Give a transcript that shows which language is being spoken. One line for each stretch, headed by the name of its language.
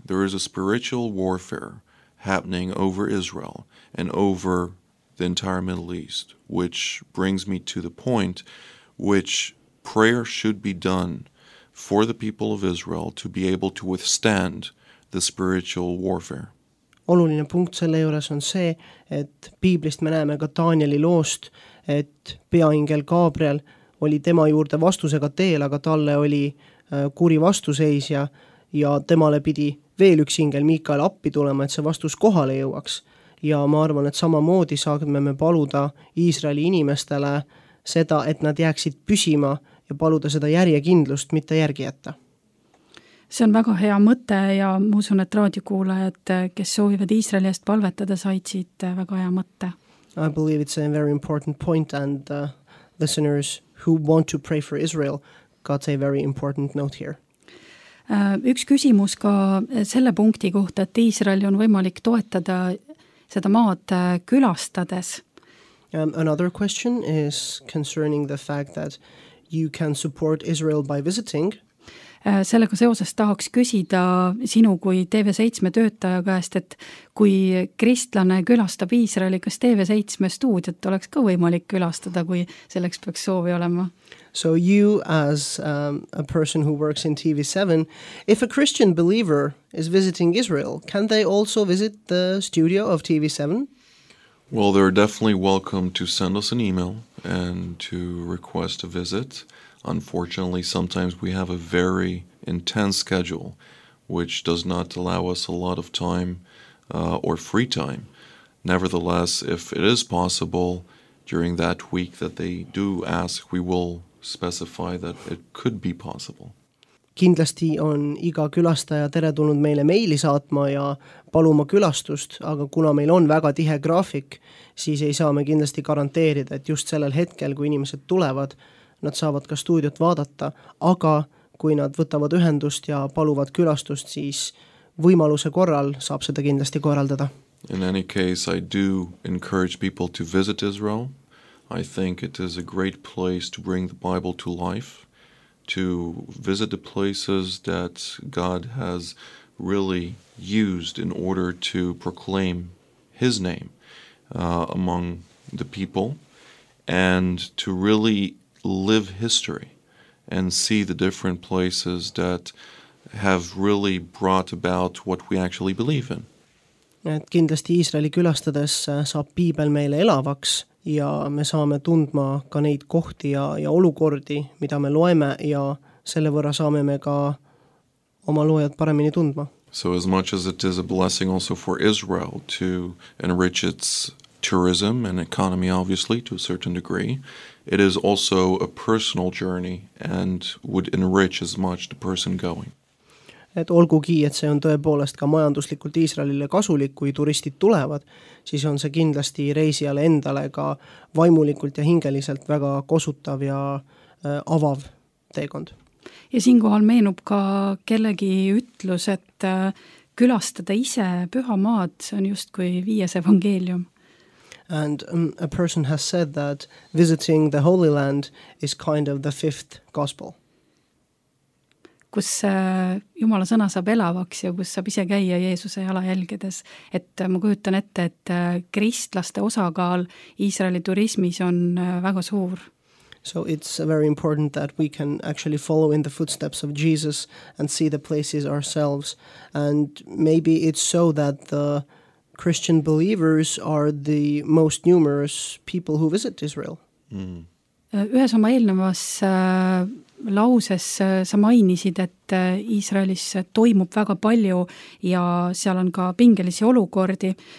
English: There is a spiritual warfare happening over Israel and over the entire Middle East, which brings me to the point which prayer should be done for the people of Israel to be able to withstand the spiritual warfare.
Estonian: Oluline punkt selle juures on see, et Piiblist me näeme ka Danieli loost, et peaingel Gabriel oli tema juurde vastusega teel, aga talle oli kuri vastuseis ja temale pidi veel üks ingel Miikael appi tulema, et see vastus kohale jõuaks. Ja ma arvan, et samamoodi saame me paluda Iisraeli inimestele seda, et nad jääksid püsima ja paluda seda järjekindlust, mitte järgi jätta. See on väga hea mõte ja ma usun, et raadiokuulajad, kes soovivad Iisraeli eest palvetada, said siit väga hea mõte.
English: I believe it's a very important point and listeners who want to pray for Israel got a very important note here.
Estonian: Üks küsimus ka selle punkti kohta, et Iisraeli on võimalik toetada seda maad külastades.
English: Another question is concerning the fact that you can support Israel by visiting.
Estonian: Sellega seoses tahaks küsida sinu kui TV7 töötaja käest, et kui kristlane külastab Iisraeli, kas TV7 stuudiot oleks ka võimalik külastada, kui selleks peaks soovi olema?
English: So you as a person who works in TV7, if a Christian believer is visiting Israel, can they also visit the studio of TV7? Well, they're definitely welcome to send us an email and to request a visit. Unfortunately, sometimes we have a very intense schedule, which does not allow us a lot of time or free time. Nevertheless, if it is possible during that week that they do ask, we will specify that it could be possible.
Estonian: Kindlasti on iga külastaja teretulnud meile meili saatma ja paluma külastust, aga kuna meil on väga tihe graafik, siis ei saa me kindlasti garanteerida, et just sellel hetkel, kui inimesed tulevad, nad saavad ka stuudiot vaadata, aga kui nad võtavad ühendust ja paluvad külastust, siis võimaluse korral saab seda kindlasti korraldada.
English: In any case, I do encourage people to visit Israel. I think it is a great place to bring the Bible to life, to visit the places that God has really used in order to proclaim his name among the people and to really live history and see the different places that have really brought about what we actually believe in.
Estonian: et kindlasti Iisraeli külastades saab piibel meile elavaks ja me saame tundma ka neid kohti ja olukordi, mida me loeme ja selle võrra saame me ka oma loojad paremini tundma.
English: So as much as it is a blessing also for Israel to enrich its tourism and economy, obviously, to a certain degree, it is also a personal journey and would enrich as much the person going.
Estonian: Et olgugi, et see on tõepoolest ka majanduslikult Iisraelile kasulik, kui turistid tulevad, siis on see kindlasti reisijale endale ka vaimulikult ja hingeliselt väga kosutav ja avav teekond. Ja siin kohal meenub ka kellegi ütlus, et külastada ise püha maad, see on just kui viies evangeelium.
English: And a person has said that visiting the Holy Land is kind of the fifth gospel.
Estonian: Kus Jumala sõna saab elavaks ja kus saab ise käia Jeesuse jala jälgedes. Et ma kujutan ette, et kristlaste osakaal Iisraeli turismis on väga suur.
English: So it's very important that we can actually follow in the footsteps of Jesus and see the places ourselves. And maybe it's so that the Christian believers are the most numerous people who visit Israel.
Estonian: Ühes oma eelnevas lauses sa mainisid, et Iisraelis toimub väga palju ja seal on ka pingelisi olukordi.